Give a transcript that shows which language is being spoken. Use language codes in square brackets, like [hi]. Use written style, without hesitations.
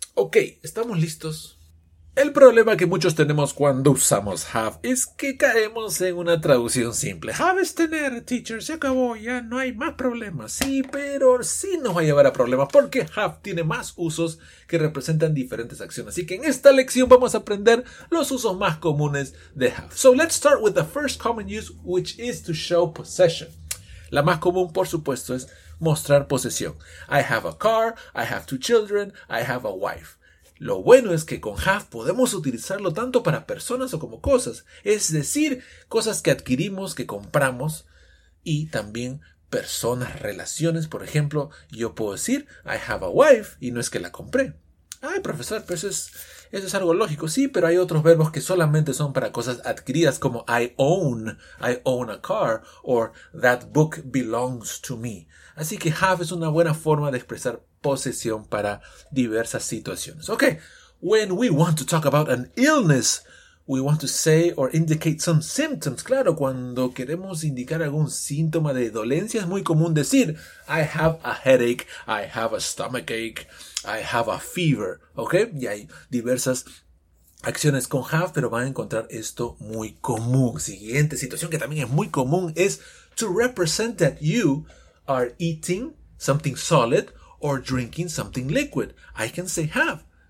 [es] Ok, ¿estamos listos? El problema que muchos tenemos cuando usamos have es que caemos en una traducción simple. Have es tener, teacher, se acabó, ya no hay más problemas. Sí, pero sí nos va a llevar a problemas porque have tiene más usos que representan diferentes acciones. Así que en esta lección vamos a aprender los usos más comunes de have. [en] So let's start with the first common use, which is to show possession. [es] La más común, por supuesto, es mostrar posesión. [en] I have a car, I have two children, I have a wife. [es] Lo bueno es que con have podemos utilizarlo tanto para personas o como cosas. Es decir, cosas que adquirimos, que compramos y también personas, relaciones. Por ejemplo, yo puedo decir [en] I have a wife [es] y no es que la compré. Ay, profesor, pero eso es algo lógico. Sí, pero hay otros verbos que solamente son para cosas adquiridas como [en] I own a car, or that book belongs to me. [es] Así que have es una buena forma de expresar posesión para diversas situaciones. [en] Okay, when we want to talk about an illness, we want to say or indicate some symptoms. [es] Claro, cuando queremos indicar algún síntoma de dolencia, es muy común decir [en] I have a headache, I have a stomach ache, I have a fever. [es] Okay, y hay diversas acciones con have, pero van a encontrar esto muy común. Siguiente situación que también es muy común es [en] to represent that you are eating something solid or drinking something liquid. I can say have.